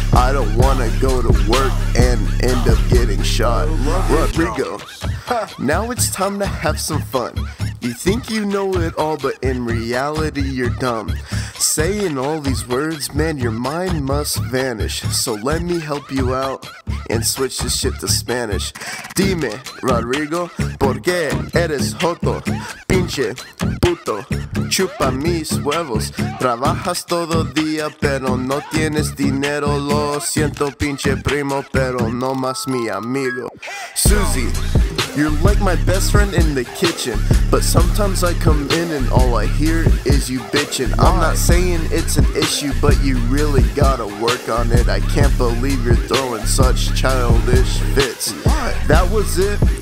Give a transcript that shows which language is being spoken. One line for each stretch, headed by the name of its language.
English: I don't wanna go to work and end up getting shot. Rodrigo. Now it's time to have some fun. You think you know it all, but in reality you're dumb. Saying all these words, man, your mind must vanish. So let me help you out and switch this shit to Spanish.
Spanish: Dime, Rodrigo, ¿por qué eres joto? Pinche puto, chupa mis huevos. Trabajas todo día, pero no tienes dinero. Lo siento, pinche primo, pero no más mi amigo.
English: Susie, you're like my best friend in the kitchen, but sometimes I come in and all I hear is you bitching. I'm not saying it's an issue, but you really gotta work on it. I can't believe you're throwing such childish fits. That was it.